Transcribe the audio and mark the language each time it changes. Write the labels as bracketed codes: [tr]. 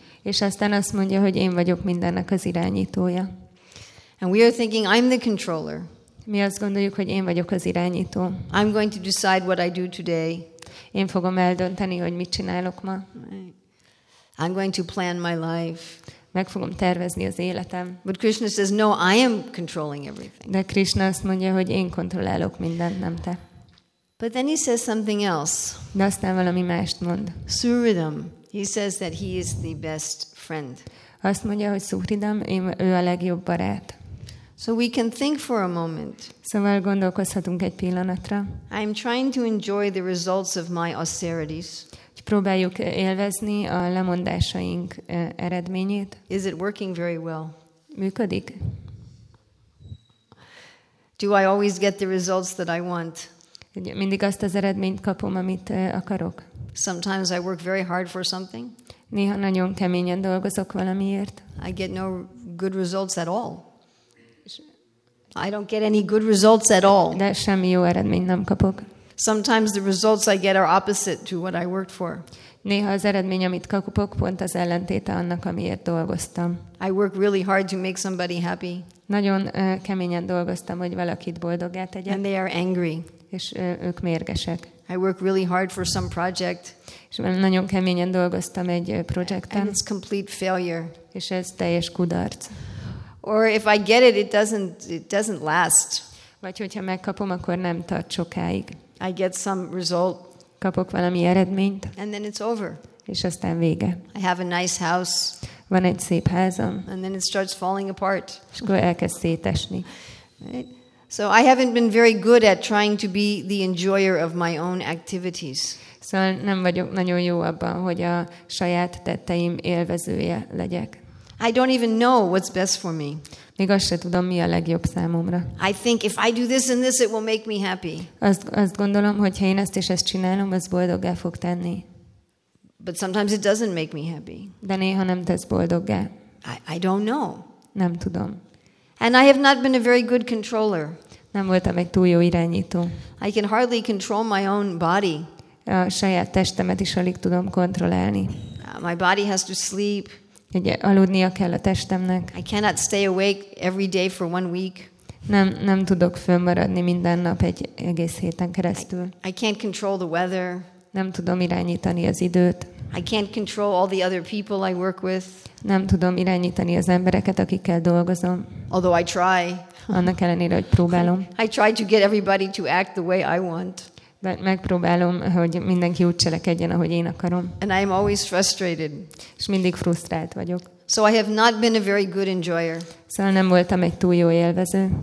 [hu] És aztán azt mondja, hogy én vagyok mindennek az irányítója. [en] And we are thinking, I'm the controller. [hu] Mi azt gondoljuk, hogy én vagyok az irányító. [en] I'm going to decide what I do today. [hu] Én fogom eldönteni, hogy mit csinálok ma. [en] I'm going to plan my life. [hu] Meg fogom tervezni az életem. [en] But Krishna says, no, I am controlling everything. [hu] De Krishna azt mondja, hogy én kontrollálok mindent, nem te. [en] But then he says something else. [hu] De aztán valami mást mond. [sa] Suridam. [en] He says that he is the best friend. [hu] Azt mondja, hogy Suridam, ő a legjobb barát. [en] So we can think for a moment. [hu] Szóval gondolkozhatunk egy pillanatra. [en] I'm trying to enjoy the results of my austerities. [hu] Próbáljuk élvezni a lemondásaink eredményét. [en] Is it working very well? [hu] Működik. [en] Do I always get the results that I want? [hu] Mindig azt az eredményt kapom, amit akarok. [en] Sometimes I work very hard for something. [hu] Néha nagyon keményen dolgozok valamiért. [en] I get no good results at all. I don't get any good results at all. [hu] De semmi jó eredményt nem kapok. [en] Sometimes the results I get are opposite to what I worked for. [hu] Néha az eredmény, amit kapok, pont az ellentéte annak, amiért dolgoztam. [en] I work really hard to make somebody happy. [hu] Nagyon keményen dolgoztam, hogy valakit boldoggá tegyek. [en] And they are angry. [hu] És ők mérgesek. [en] I work really hard for some project. [hu] És nagyon keményen dolgoztam egy projekten. [en] And it's complete failure. [hu] És ez teljes kudarc. [en] Or if I get it, it doesn't last. [hu] Vagy hogyha megkapom, akkor nem tart sokáig. [en] I get some result. [hu] Kapok valami eredményt. [en] And then it's over. [hu] És aztán vége. [en] I have a nice house. [hu] Van egy szép házam. [en] And then it starts falling apart. [hu] És akkor elkezd szétesni. [en] Right? So I haven't been very good at trying to be the enjoyer of my own activities. [hu] Szóval nem vagyok nagyon jó abban, hogy a saját tetteim élvezője legyek. [en] I don't even know what's best for me. [hu] Még azt sem tudom, mi a legjobb számomra. [en] I think if I do this and this, it will make me happy. [hu] Azt gondolom, hogy ha én ezt és ezt csinálom, az boldoggá fog tenni. [en] But sometimes it doesn't make me happy. [hu] De néha nem tesz boldoggá. [en] I don't know. [hu] Nem tudom. [en] And I have not been a very good controller. [hu] Nem voltam egy túl jó irányító. [en] I can hardly control my own body. [hu] A saját testemet is alig tudom kontrollálni. [en] My body has to sleep. [hu] Ugye, aludnia kell a testemnek. [en] I cannot stay awake every day for one week. [hu] Nem tudok fönnmaradni minden nap egy egész héten keresztül. [en] I can't control the weather. [hu] Nem tudom irányítani az időt. [en] I can't control all the other people I work with. [hu] Nem tudom irányítani az embereket, akikkel dolgozom. [en] Although I try. [hu] Annak ellenére, hogy próbálom. [en] I try to get everybody to act the way I want. [hu] De megpróbálom, hogy mindenki úgy cselekedjen, ahogy én akarom. [en] And I am always frustrated. [hu] És mindig frusztrált vagyok. [en] So I have not been a very good enjoyer. [hu] Szóval nem voltam egy túl jó élvező.